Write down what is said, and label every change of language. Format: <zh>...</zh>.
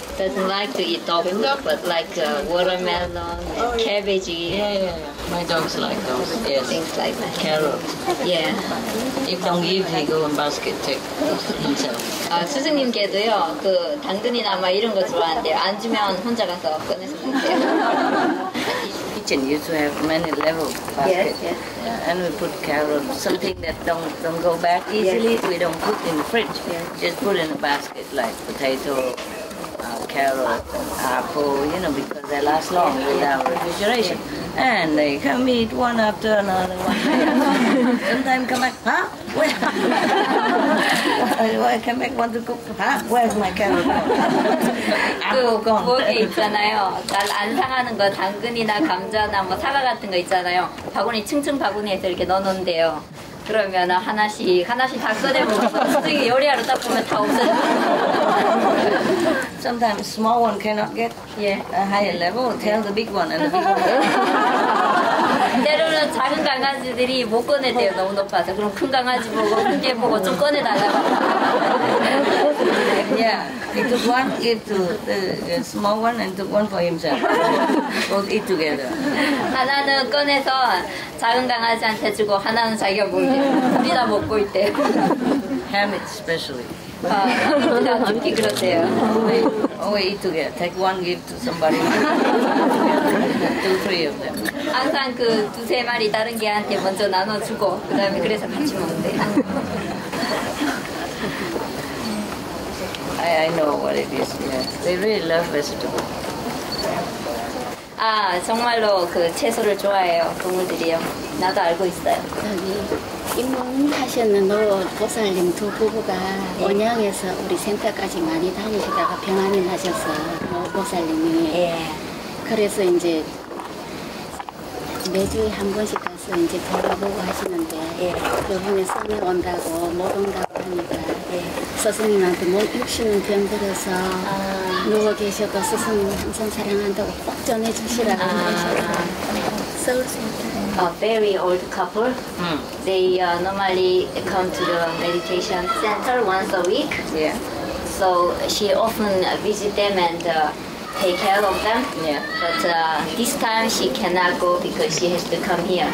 <en>Doesn't like to eat dog food, but like watermelon, cabbage. Yeah. My dogs like those. Yes. Things like that. Carrots. Yeah. If don't eat, he go in basket take himself.</en> <ko>스승님께도요, 그 당근이나 막 이런 거 좋아한대요. 안 주면 혼자 가서 꺼내서 먹대요.</ko> <en>Kitchen used to have many level basket. Yes, yes. And we put carrots, something that don't go bad easily. Yes. We don't put in the fridge. Yes. Just put in a basket like potato. Carrot, apple, you know, because they last long without refrigeration. Yeah. And they come eat one after another one. Sometimes come back, huh? Where? I come back, want to cook, huh? Where's my carrot? Apple gone.</en> <ko>그 고기 있잖아요. 잘 안 상하는 거, 당근이나 감자나 뭐 사과 같은 거 있잖아요. 바구니, 층층 바구니에서 이렇게 넣어놓은대요. 그러면 하나씩 다 꺼내보고 스승이 요리하러 딱 보면 다 없어져.</ko> <en>Sometimes small one cannot get yeah. a higher level. Tell the big one and the big one.</en> <ko>때로는 작은 강아지들이 못 꺼내대요. 너무 높아서. 그럼 큰 강아지 보고 큰 개 보고 좀 꺼내달라고.</ko> <en>yeah, he took one, give to the small one and took one for himself. Both eat together.</en> <ko>하나는 꺼내서 작은 강아지한테 주고 하나는 자기가 먹고 둘이 다 먹고 있대.</ko> <en>Ham it specially.</en> <ko>하미트가 넘기 그렇대요.</ko> <en>We eat together. Take one, give to somebody. Two, three of them.</en> <ko>항상 그 두세 마리 다른 개한테 먼저 나눠주고 그 다음에 그래서 같이 먹는데.</ko> <en>I know what it is. Yeah. They really love vegetables.</en> <ko>아, 정말로 그 채소를 좋아해요, 동물들이요. 나도 알고 있어요. 저기, 입문하셨는 보살님 두 부부가 네. 원양에서 우리 센터까지 많이 다니시다가 병환이 나셔서, 보살님이. 예. 그래서 이제 매주에 한 번씩 가서 이제 돌아보고 하시는데, 예. 그분이 섬에 온다고, 못 온다고 하니까, 예. 스승님한테 뭐 육신은 병들어서 아. 누워 계셔도 스승님 항상 사랑한다고 꼭 전해주시라고 하셨어요. 아. 서울 센터.</ko> <en>A very old couple. Mm. They normally come to the meditation center once a week. Yeah. So she often visit them and take care of them. Yeah. But this time she cannot go because she has to come here.</en>